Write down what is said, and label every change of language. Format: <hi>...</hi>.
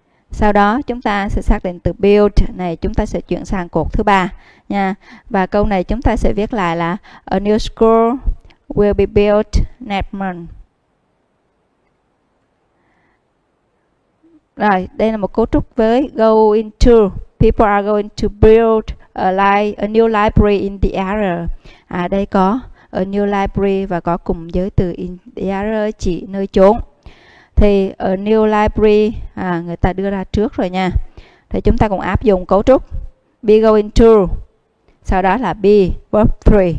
<vi>Sau đó chúng ta sẽ xác định từ build này chúng ta sẽ chuyển sang cột thứ ba nha. Và câu này chúng ta sẽ viết lại là</vi> <en>a new school will be built next month.</en> <vi>Rồi, đây là một cấu trúc với go into.</vi> <en>People are going to build a new library in the area.</en> <vi>À đây có a new library và có cụm giới từ in the area chỉ nơi chốn. Thì ở new library à, người ta đưa ra trước rồi nha. Thì chúng ta cũng áp dụng cấu trúc be going to. Sau đó là be verb 3.</vi>